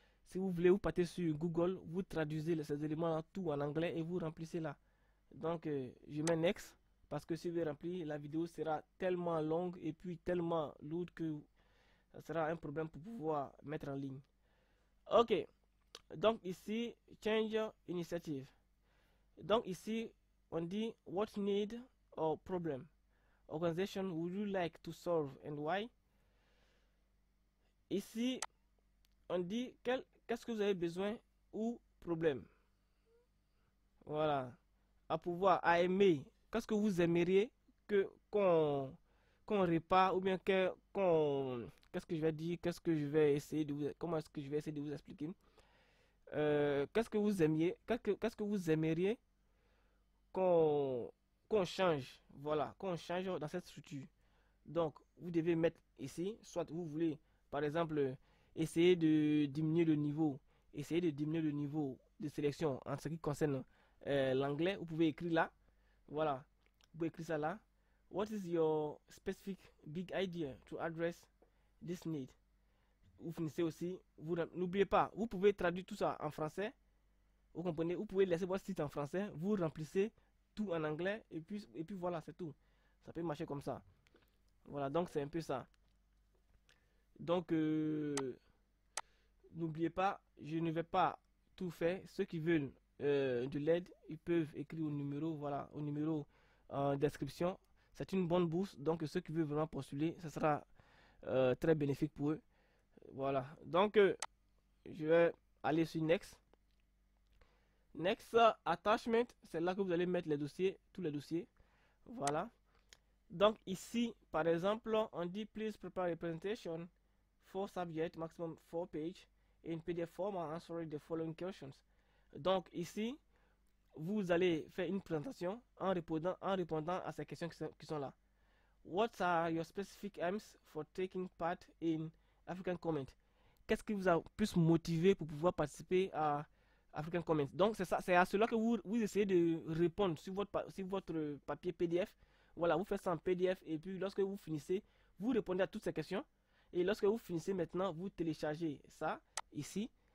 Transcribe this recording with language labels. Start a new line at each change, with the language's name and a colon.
French: Si vous voulez, vous partez sur Google, vous traduisez ces éléments-là tout en anglais et vous remplissez là. Donc je mets next parce que si vous remplissez, la vidéo sera tellement longue et puis tellement lourde que ça sera un problème pour pouvoir mettre en ligne. Ok. Donc ici, change initiative. Donc ici, on dit
English: what need or problem organization would you like to solve and why?
French: Ici, on dit qu'est-ce que vous avez besoin ou problème? Voilà. À pouvoir, à aimer, qu'est-ce que vous aimeriez que qu'on répare ou bien qu'est-ce que je vais dire, qu'est-ce que je vais essayer de vous, comment est-ce que je vais essayer de vous expliquer? Qu'est-ce que vous aimiez, qu'est-ce que vous aimeriez qu'on change, voilà, qu'on change dans cette structure. Donc, vous devez mettre ici, soit vous voulez, par exemple, essayer de diminuer le niveau, essayer de diminuer le niveau de sélection en ce qui concerne l'anglais, vous pouvez écrire là, voilà, vous pouvez écrire ça là.
English: What is your specific big idea to address this need?
French: Vous finissez aussi, vous n'oubliez pas, vous pouvez traduire tout ça en français. Vous comprenez, vous pouvez laisser votre site en français, vous remplissez tout en anglais et puis voilà, c'est tout. Ça peut marcher comme ça. Voilà, donc c'est un peu ça. Donc n'oubliez pas, je ne vais pas tout faire. Ceux qui veulent de l'aide, ils peuvent écrire au numéro, voilà, au numéro en description. C'est une bonne bourse. Donc ceux qui veulent vraiment postuler, ce sera très bénéfique pour eux. Voilà. Donc je vais aller sur Next. Next, attachment, c'est là que vous allez mettre les dossiers, tous les dossiers. Voilà. Donc ici, par exemple, on dit
English: please prepare a presentation, four subjects, maximum four pages, in PDF format, answering the following questions.
French: Donc ici, vous allez faire une présentation en répondant à ces questions qui sont là.
English: What are your specific aims for taking part in African Comment?
French: Qu'est-ce qui vous a plus motivé pour pouvoir participer à African Comment. Donc c'est ça, c'est à cela que vous essayez de répondre sur votre papier PDF. Voilà, vous faites ça en PDF et puis lorsque vous finissez, vous répondez à toutes ces questions. Et lorsque vous finissez maintenant, vous téléchargez ça ici.